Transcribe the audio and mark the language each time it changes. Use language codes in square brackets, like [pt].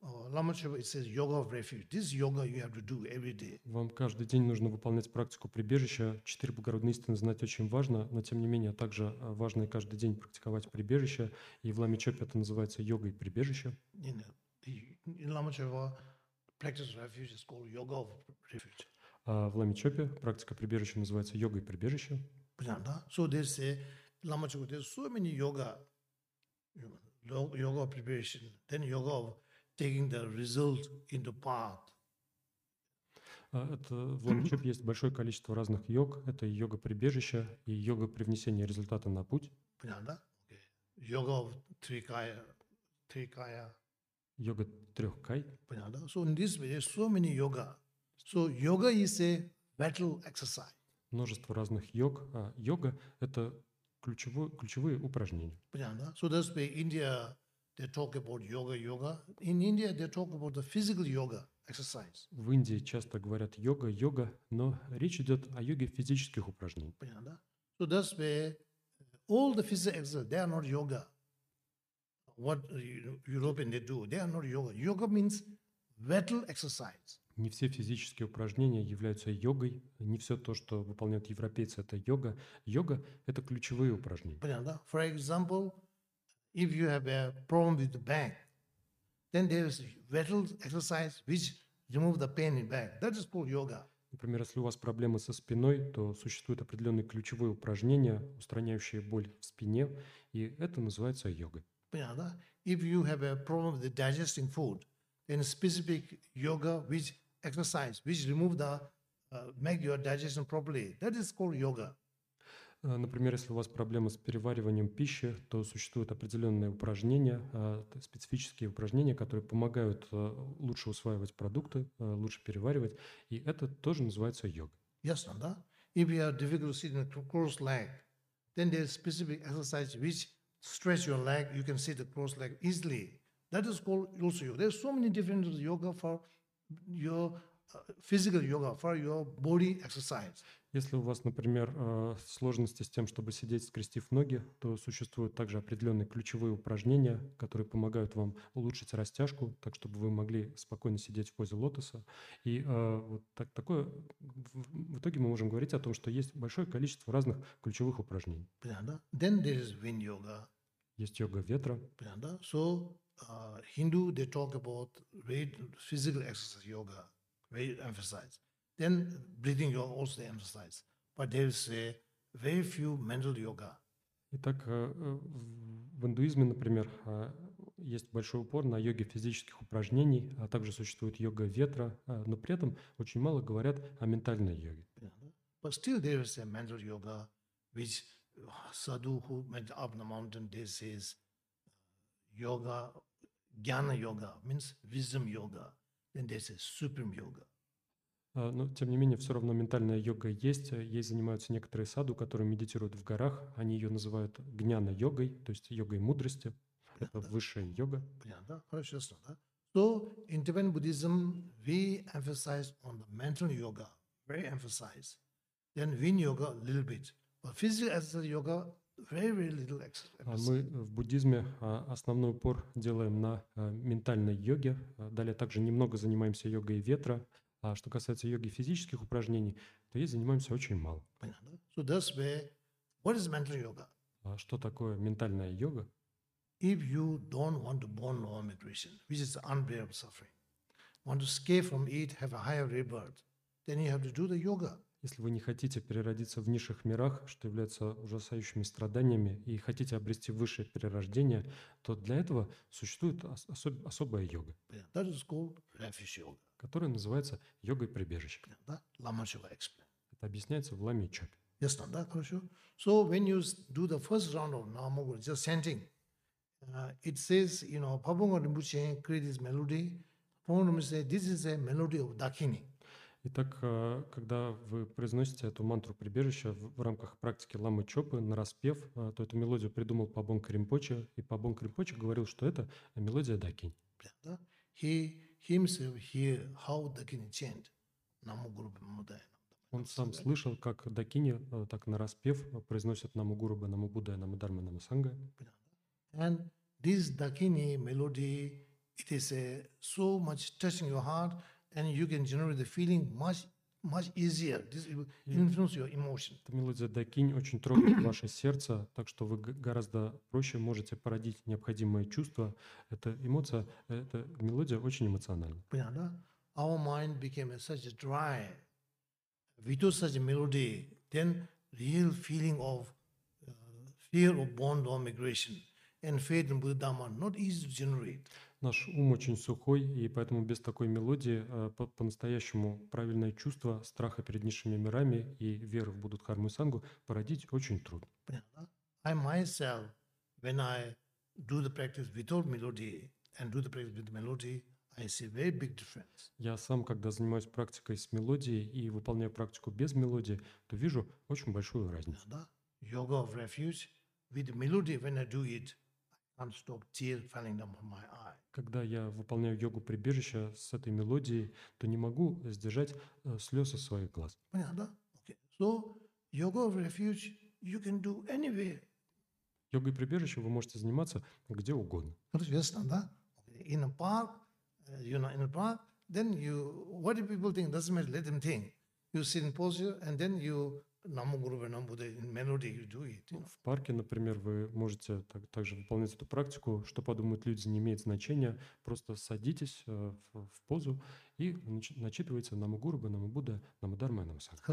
[en] Lama Chöpa, it says yoga of refuge. This yoga you have to do every day. [ru] Вам каждый день нужно выполнять практику прибежища. Четыре благородные истины знать очень важно, но тем не менее также важно и каждый день практиковать прибежище. И в Лама Чёпе это называется йогой прибежища. [en] In Lama Chöpa, practice refuge is called yoga of refuge. [ru] В Лама Чёпе практика прибежища называется йогой прибежища. Понятно, да? [en] So they say, Lama Chöpa, there's so many yoga. Yoga of [ru] прибежища, [en] then yoga of taking the result into path. [ru] Это в Лама Чёпе есть большое количество разных йог. Это йога прибежища и йога привнесения результата на путь. Понятно, да? Йога в трикая. Йога трех кай. Понятно, да? [en] So in this way, there's so many yoga. So yoga is a battle exercise. [ru] Множество разных йог. Йога — это ключевые упражнения. Понятно, да? [en] So that's why India they talk about yoga, yoga. In India, they talk about the physical yoga exercise. [ru] В Индии часто говорят йога, йога, но речь идет о йоге физических упражнений. Понятно? [en] So that's where all the physical exercises, they are not yoga. What European they do, they are not yoga. Yoga means vital exercise. [ru] Не все физические упражнения являются йогой. Не все то, что выполняют европейцы, это йога. Йога – это ключевые упражнения. Понятно? [en] For example, if you have a problem with the back, then there is vital exercise which remove the pain in back. That is called yoga. [ru] Например, если у вас проблемы со спиной, то существуют определенные ключевые упражнения, устраняющие боль в спине, и это называется йогой. Понятно? [en] If you have a problem with digesting food, then specific yoga which exercise which remove the make your digestion properly. That is called yoga. [ru] Например, если у вас проблемы с перевариванием пищи, то существуют определенные упражнения, специфические упражнения, которые помогают лучше усваивать продукты, лучше переваривать, и это тоже называется йога. Ясно, да? [en] If you have difficulty sitting cross leg, then there is specific exercise which stretch your leg, you can sit the cross leg easily. That is called also yoga. There's so many different yoga for your physical yoga, for your body exercise. [ru] Если у вас, например, сложности с тем, чтобы сидеть, скрестив ноги, то существуют также определенные ключевые упражнения, которые помогают вам улучшить растяжку, так чтобы вы могли спокойно сидеть в позе лотоса. И вот так, такое. В итоге мы можем говорить о том, что есть большое количество разных ключевых упражнений. [en] Then there is wind yoga. [ru] Есть йога ветра. [en] So Hindu they talk about physical exercise yoga, very emphasized. Then breathing yoga also they emphasize, but they will say very few mental yoga. [ru] Итак, в индуизме, например, есть большой упор на йоге физических упражнений, а также существует йога ветра, но при этом очень мало говорят о ментальной йоге. [en] But still there is a mental yoga, which sadhu who went up the mountain, they say yoga, jnana yoga means wisdom yoga, then they say supreme yoga. [ru] Но, тем не менее, все равно ментальная йога есть. Ей занимаются некоторые саду, которые медитируют в горах. Они ее называют гняна-йогой, то есть йогой мудрости. Это высшая йога. Понятно, хорошо, ясно. [en] So, in Tibetan Buddhism, we emphasize on the mental yoga, very emphasize. Then wind yoga, a little bit. But physical exercise yoga, very little exercise. [ru] Мы в буддизме основной упор делаем на ментальной йоге. Далее также немного занимаемся йогой ветра. А что касается йоги физических упражнений, то ей занимаемся очень мало. Понятно. [en] So that's where, what is mental yoga? [ru] А что такое ментальная йога? [en] If you don't want to born lower migration, which is unbearable suffering, want to escape from it, have a higher rebirth, then you have to do the yoga. [ru] Если вы не хотите переродиться в низших мирах, что является ужасающими страданиями, и хотите обрести высшее перерождение, то для этого существует особая йога. [en] Yeah, that is called refuge yoga. [ru] Которая называется йогой прибежища. [en] Yeah, [ru] да? Это объясняется в Ламе Чопе. Ясно, да, хорошо. [en] So when you do the first round of Namogur, just chanting, it says, you know, Pabunga Rinpoche created this melody. Pabunga says, this is a melody of Dakini. [ru] Итак, когда вы произносите эту мантру прибежища в рамках практики Ламы Чопы на распев, то эту мелодию придумал Пабунга Ринпоче, и Пабунга Ринпоче говорил, что это мелодия Дакини. [en] Yeah, [ru] да? [en] He himself hear how Dakini chant Namo Guru Bhe Namodaya Namodharma. [ru] Он сам слышал, как Дакини так на распев произносит Намо Гуру Бхе Намо Буддхая Намо Дхарме Намо Сангхе. [en] And this Dakini melody, it is a so much touching your heart, and you can generate the feeling much easier. This influence your emotion. [ru] Эта мелодия Дакини очень трогает ваше сердце, так что вы гораздо проще можете породить необходимые чувства. Эта эмоция, эта мелодия очень эмоциональна. Понятно? [en] Our mind became such a dry. Without such a melody, then real feeling of fear of bond or migration and faith in Buddha Dhamma not easy to generate. [ru] Наш ум очень сухой, и поэтому без такой мелодии по-настоящему правильное чувство страха перед низшими мирами и веры в Будду, Дхарму и Сангу породить очень трудно. [en] I myself, when I do the practice without melody and do the practice with the melody, I see very big difference. [ru] Я сам, когда занимаюсь практикой с мелодией и выполняю практику без мелодии, то вижу очень большую разницу. [en] Yoga of refuge with melody, when I do it, I'm stop tear falling down from my eye. [ru] Когда я выполняю йогу прибежища с этой мелодией, то не могу сдержать слез из своих глаз. Понятно, да? [en] Okay. So, yoga refuge you can do anywhere. [ru] Йогой прибежища вы можете заниматься где угодно. Известно, да? [en] In a park, you know, in a park, then you, what do people think? Doesn't matter, let them think. You sit in posture and then you [ru] в парке, например, вы можете также выполнять эту практику. Что подумают люди, не имеет значения. Просто садитесь в позу и начитывайте намугурубе, намубудде, намударме, намасанг.